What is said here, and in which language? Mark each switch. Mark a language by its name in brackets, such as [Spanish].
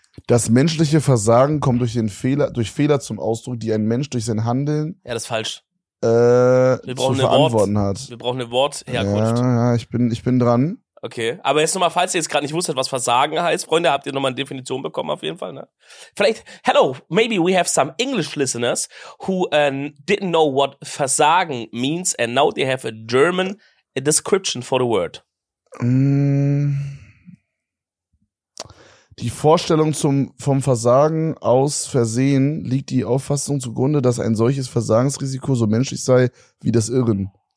[German] Das menschliche Versagen kommt durch Fehler zum Ausdruck, die ein Mensch durch sein Handeln. Ja, das ist falsch. Wir brauchen eine Wortherkunft. Ja, ich bin dran. Okay, aber jetzt nochmal, falls ihr jetzt gerade nicht wusstet, was Versagen heißt, Freunde, habt ihr nochmal eine Definition bekommen auf jeden Fall, ne? [English] Vielleicht, hello, maybe we have some English listeners who didn't know what Versagen means and now they have a German description for the word. [German] Die Vorstellung vom Versagen aus Versehen liegt die Auffassung zugrunde, dass ein solches Versagensrisiko so menschlich sei wie das Irren.